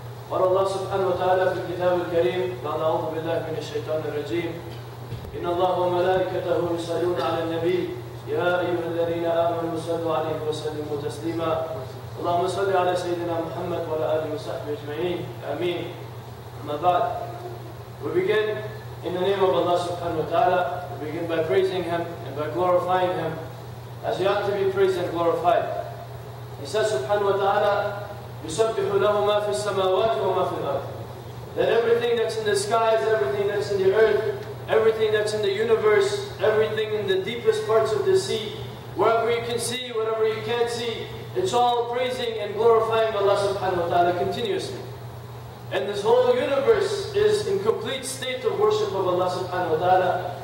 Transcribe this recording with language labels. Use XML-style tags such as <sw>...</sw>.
<ar>قال الله سبحانه وتعالى في الكتاب الكريم بعد أعوذ بالله من الشيطان الرجيم: إن الله وملائكته يصلون على النبي يا أيها الذين آمنوا صلوا عليه وسلموا تسليما. اللهم صل على سيدنا محمد وعلى آله وصحبه أجمعين، آمين. أما بعد،</ar> <en>we begin in the name of Allah subhanahu wa ta'ala. We begin by praising Him and by glorifying Him as He ought to be praised and glorified. He says</en> <ar>subhanahu wa ta'ala, يُسَبِّحُ لَهُ مَا فِي السَّمَاوَاتِ وَمَا فِي الْأَرْضِ.</ar> <en>That everything that's in the skies, everything that's in the earth, everything that's in the universe, everything in the deepest parts of the sea, wherever you can see, whatever you can't see, it's all praising and glorifying Allah subhanahu wa ta'ala continuously. And this whole universe is in complete state of worship of Allah subhanahu wa ta'ala.</en>